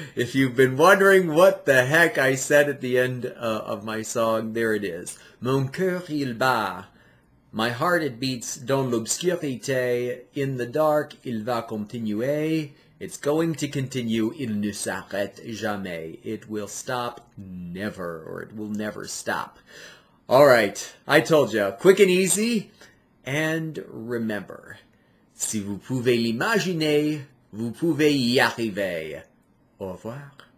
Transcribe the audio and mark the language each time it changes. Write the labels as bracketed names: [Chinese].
[English] If you've been wondering what the heck I said at the end of my song, there it is. [French] Mon cœur, il bat. [English] My heart, it beats [French] dans l'obscurité. [English] In the dark, [French] il va continuer. [English] It's going to continue, [French] il ne s'arrête jamais. [English] It will stop never, or it will never stop. All right, I told you, quick and easy. And remember, [French] si vous pouvez l'imaginer, vous pouvez y arriver. Au revoir.